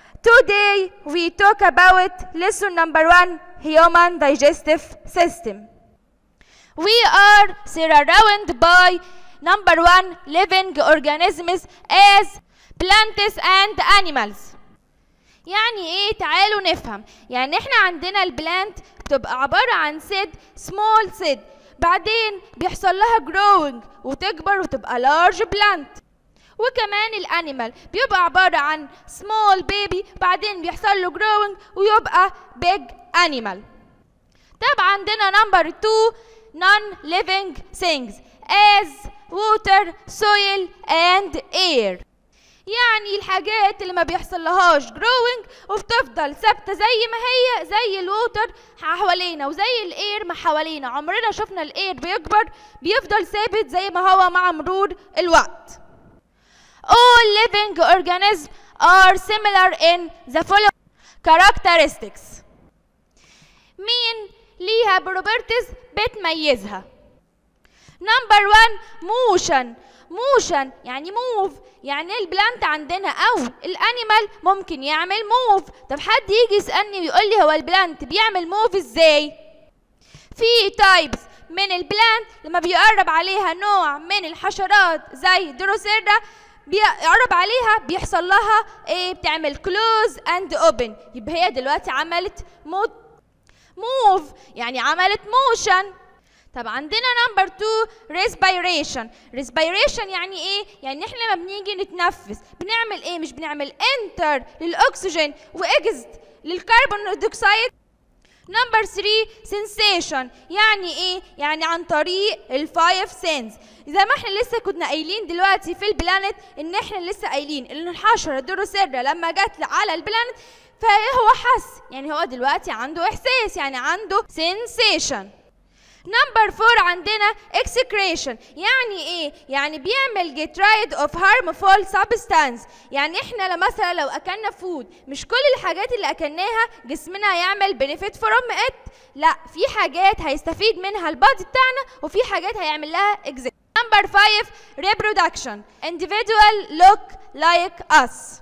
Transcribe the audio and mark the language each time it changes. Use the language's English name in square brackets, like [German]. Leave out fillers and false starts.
[English] Today, we talk about lesson number 1, Human Digestive System. We are surrounded by number 1, living organisms as plants and animals. [Arabic] يعني ايه؟ تعالوا نفهم. يعني احنا عندنا البلانت تبقى عبارة عن سيد، [English] small [Arabic] سيد. بعدين بيحصل لها [English] growing [Arabic] وتكبر وتبقى [English] large plant. [Arabic] وكمان الانيمال بيبقى عبارة عن [English] small baby [Arabic] بعدين بيحصل له [English] growing [Arabic] ويبقى [English] big animal. [Arabic] طب عندنا [English] number 2 non-living things as water, soil and air. [Arabic] يعني الحاجات اللي ما بيحصل لهاش growing وبتفضل ثابتة زي ما هي زي الووتر حوالينا وزي الاير ما حوالينا. عمرنا شفنا الاير بيكبر بيفضل ثابت زي ما هو مع مرور الوقت. [English] All living organisms are similar in the following characteristics. [Arabic] مين ليها بروبرتيز بتميزها؟ [English] Number 1 motion. Motion [Arabic] يعني [English] move. [Arabic] يعني البلانت عندنا او الانيمال ممكن يعمل [English] move. [Arabic] طب حد يجي يسألني ويقول لي هو البلانت بيعمل move ازاي؟ في types من البلانت لما بيقرب عليها نوع من الحشرات زي دروسيرا بيقرب عليها بيحصل لها ايه؟ بتعمل [English] close and open. [Arabic] يبقى هي دلوقتي عملت move يعني عملت motion. طب عندنا [English] number 2 respiration. [Arabic] respiration يعني ايه؟ يعني احنا ما بنيجي نتنفس بنعمل ايه؟ مش بنعمل [English] enter [Arabic] للاكسجين واجزت للكربون ديوكسيد. [English] number 3 sensation [Arabic] يعني ايه؟ يعني عن طريق الفايف سينز. اذا ما احنا لسه كنا قايلين دلوقتي في البلانت ان احنا لسه قايلين ان الحشره دروسيرا لما جت على البلانت فهو حس، يعني هو دلوقتي عنده احساس يعني عنده [English] sensation. number 4 [Arabic] عندنا [English] excretion [Arabic] يعني ايه؟ يعني بيعمل [English] get rid of harmful substance. [Arabic] يعني احنا مثلا لو اكلنا [English] food [Arabic] مش كل الحاجات اللي اكلناها جسمنا هيعمل [English] benefit from it، [Arabic] لا، في حاجات هيستفيد منها البادي بتاعنا وفي حاجات هيعمل لها [English] exit. number 5 reproduction individual look like us.